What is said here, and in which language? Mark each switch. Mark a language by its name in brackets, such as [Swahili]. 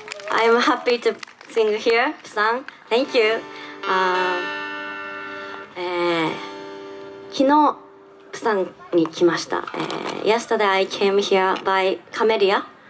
[English] I'm happy to sing here, プサン。 Thank you。 [Japanese] あー、昨日プサンに来ました。 [English] Yesterday I came here by Cameria。